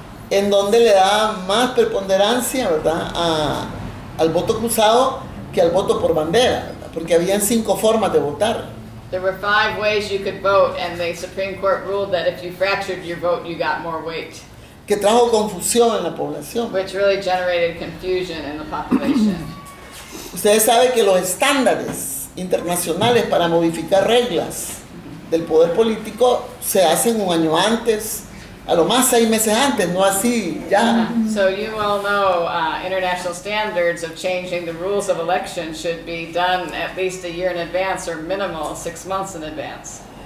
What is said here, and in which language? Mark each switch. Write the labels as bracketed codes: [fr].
[es] En donde le da más preponderancia, ¿verdad?, al voto cruzado que al voto por bandera, ¿verdad? Porque habían 5 formas de votar. [en] There were 5 ways you could vote, and the Supreme Court ruled that if you fractured your vote, you got more weight. [es] Que trajo confusión en la población. [en] Which really generated confusion in the population. [es] Ustedes saben que los estándares internacionales para modificar reglas del poder político se hacen un año antes. A lo más 6 meses antes, no así, ya. [en] So you all know international standards of changing the rules of election should be done at least a year in advance or minimal 6 months in advance.